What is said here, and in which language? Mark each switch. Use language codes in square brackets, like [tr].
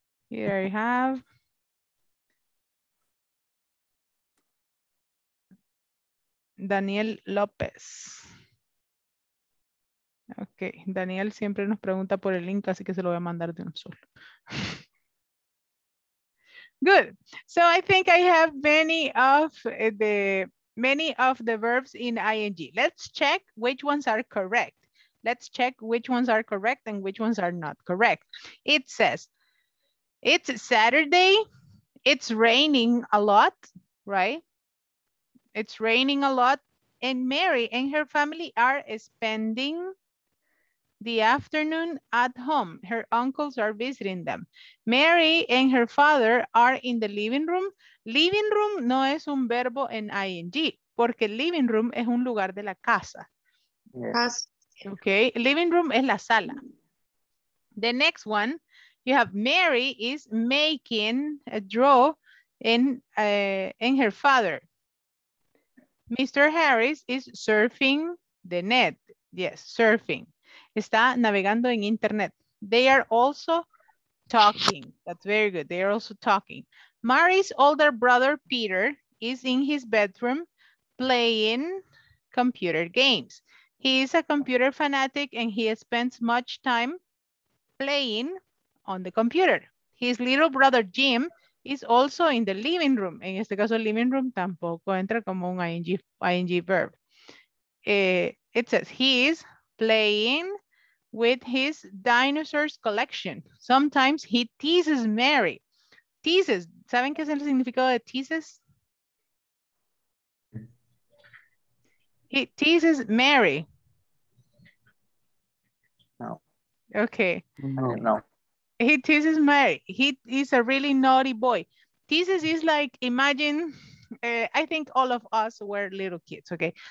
[en] Here I have. Daniel Lopez. [es] Ok, Daniel siempre nos pregunta por el link, así que se lo voy a mandar de un solo. [en] Good. So I think I have many of the verbs in ing. Let's check which ones are correct. Let's check which ones are correct and which ones are not correct. It says, it's Saturday. It's raining a lot, right? It's raining a lot. And Mary and her family are spending the afternoon at home. Her uncles are visiting them. Mary and her father are in the living room. [es] Living room no es un verbo en ing, porque living room es un lugar de la casa. [en] Yes. [es] Okay, living room es la sala. [en] The next one, you have Mary is making a draw in her father. Mr. Harris is surfing the net. Yes, surfing. [es] Está navegando en internet. [en] They are also talking. That's very good. They are also talking. Mary's older brother, Peter, is in his bedroom playing computer games. He is a computer fanatic and he spends much time playing on the computer. His little brother, Jim, is also in the living room. [es] En este caso, living room tampoco entra como un ing verb. [en] It says he is playing with his dinosaurs collection. Sometimes he teases Mary. [es] Teases, ¿saben qué es el significado de teases? [en] He teases Mary. No. Okay. No, no. He teases Mary. He is a really naughty boy. Teases is like, imagine, I think all of us were little kids, okay?